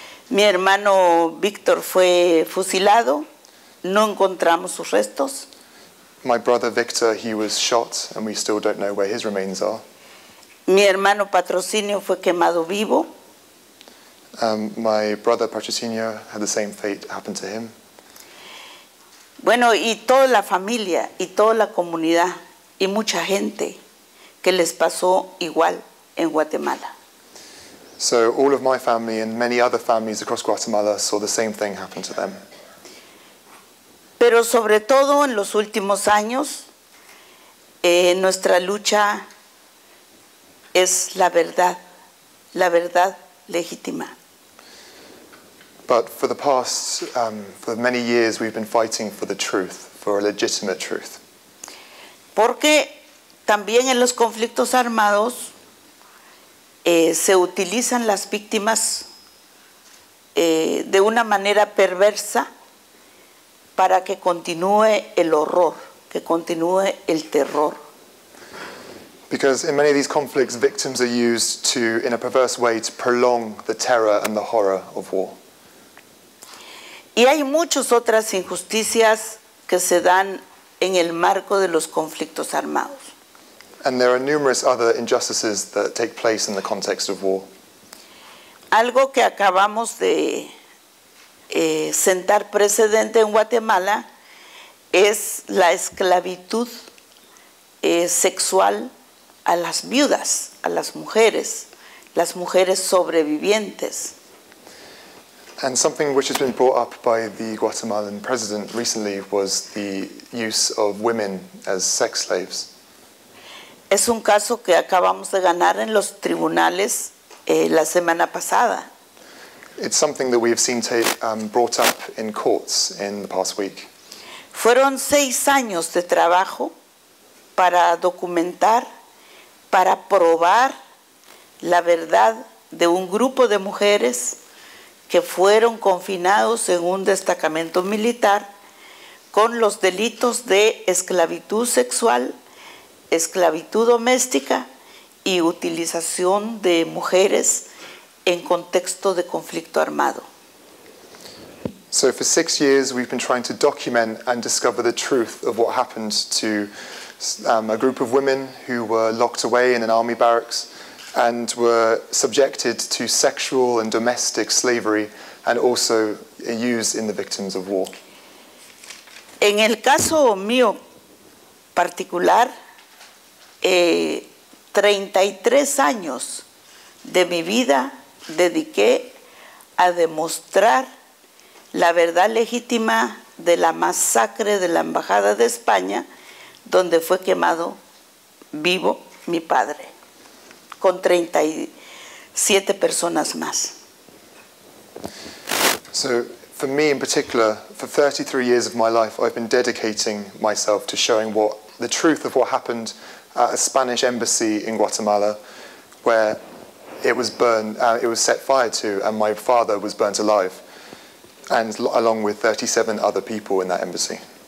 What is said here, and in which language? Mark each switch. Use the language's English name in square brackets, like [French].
[Spanish] Mi hermano Víctor fue fusilado. No encontramos sus restos. [English] My brother Victor, he was shot, and we still don't know where his remains are. [Spanish] Mi hermano Patrocinio fue quemado vivo. [English] My brother Patrocinio had the same fate happen to him. [Spanish] Bueno, y toda la familia, y toda la comunidad, y mucha gente que les pasó igual en Guatemala. [English] So all of my family and many other families across Guatemala saw the same thing happen to them. [Spanish] Pero sobre todo en los últimos años, nuestra lucha es la verdad legítima. [English] But for the past, for many years, we've been fighting for the truth, for a legitimate truth. [Spanish] Porque también en los conflictos armados se utilizan las víctimas de una manera perversa para que continúe el horror, que continúe el terror. [English] Because in many of these conflicts, victims are used to, in a perverse way, to prolong the terror and the horror of war. [Spanish] Y hay muchas otras injusticias que se dan en el marco de los conflictos armados. [English] And there are numerous other injustices that take place in the context of war. [Spanish] Algo que acabamos de sentar precedente en Guatemala es la esclavitud sexual a las viudas, a las mujeres sobrevivientes. [English] And something which has been brought up by the Guatemalan president recently was the use of women as sex slaves. [Spanish] Es un caso que acabamos de ganar en los tribunales la semana pasada. [English] It's something that we have seen brought up in courts in the past week. [Spanish] Fueron 6 años de trabajo para documentar, para probar la verdad de un grupo de mujeres que fueron confinados en un destacamento militar con los delitos de esclavitud sexual, esclavitud doméstica y utilización de mujeres en contexto de conflicto armado. [English] So for 6 years we've been trying to document and discover the truth of what happened to a group of women who were locked away in an army barracks and were subjected to sexual and domestic slavery and also used in the victims of war. [Spanish] En el caso mío particular, 33 años de mi vida dediqué a demostrar la verdad legítima de la masacre de la Embajada de España, donde fue quemado vivo mi padre, con 37 personas más. [English] So, for me in particular, for 33 years of my life, I've been dedicating myself to showing what the truth of what happened at a Spanish embassy in Guatemala, where it was burned, it was set fire to, and my father was burnt alive, and along with 37 other people in that embassy.